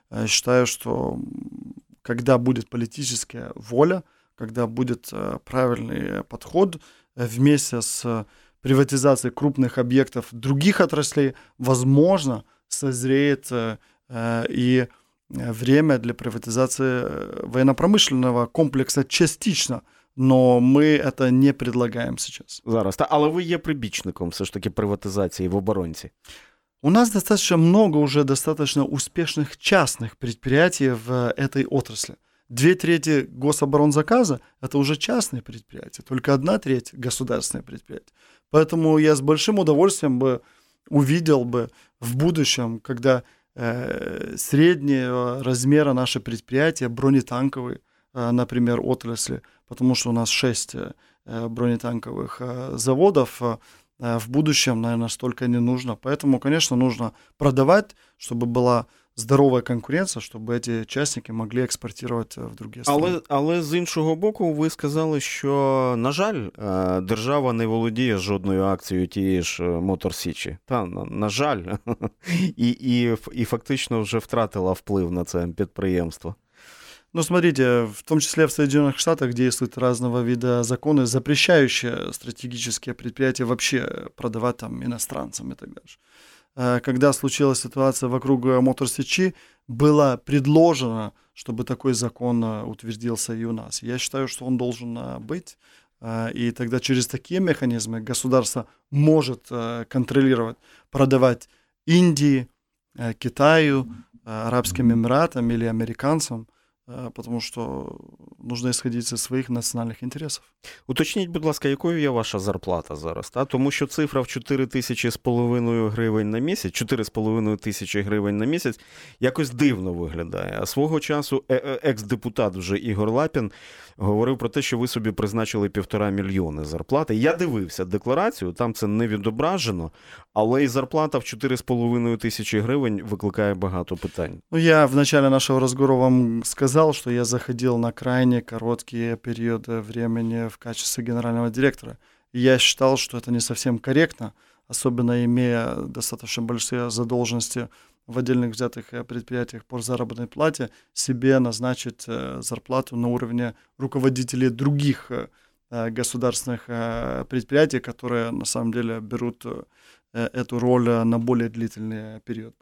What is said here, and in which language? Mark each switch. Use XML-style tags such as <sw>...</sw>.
<ru>Считаю, что когда будет политическая воля, когда будет правильный подход вместе с приватизации крупных объектов других отраслей, возможно, созреет и время для приватизации военно-промышленного комплекса частично, но мы это не предлагаем сейчас.</ru> <uk>Зараз, та, але ви є прибічником все ж таки приватизації в оборонці.</uk> <ru>У нас достаточно много уже достаточно успешных частных предприятий в этой отрасли. 2/3 гособоронзаказа – это уже частные предприятия, только 1/3 – государственные предприятия. Поэтому я с большим удовольствием бы увидел бы в будущем, когда среднего размера наши предприятия, бронетанковые, например, отрасли, потому что у нас 6 бронетанковых заводов, в будущем, наверное, столько не нужно. Поэтому, конечно, нужно продавать, чтобы была здоровая конкуренция, чтобы эти частники могли экспортировать в другие страны.</ru> <uk>Але з іншого боку, ви сказали, що, на жаль, держава не володіє жодною акцією тієї ж Мотор Січі. Та, на жаль. І фактично вже втратила вплив на це підприємство.</uk> <ru>Ну, смотрите, в том числе в Соединенных Штатах действуют разного вида законы, запрещающие стратегические предприятия вообще продавать там иностранцам и так далее. Когда случилась ситуация вокруг Motor City, было предложено, чтобы такой закон утвердился и у нас. Я считаю, что он должен быть, и тогда через такие механизмы государство может контролировать, продавать Индии, Китаю, Арабским Эмиратам или американцам, потому что нужно исходить из своих национальных интересов.</ru> <uk>Уточніть, будь ласка, якою є ваша зарплата зараз? Та? Тому що цифра в 4,5 тисячі гривень на місяць, 4,5 тисячі гривень на місяць якось дивно виглядає. А свого часу екс-депутат вже Ігор Лапін говорив про те, що ви собі призначили 1,5 мільйона зарплати. Я дивився декларацію, там це не відображено, але і зарплата в 4,5 тисячі гривень викликає багато питань.</uk> <ru>Ну, я в начале нашого розговору вам сказал, что я заходил на крайне короткие периоды времени в качестве генерального директора. Я считал, что это не совсем корректно, особенно имея достаточно большие задолженности в отдельных взятых предприятиях по заработной плате, себе назначить зарплату на уровне руководителей других государственных предприятий, которые на самом деле берут эту роль на более длительный период.</ru>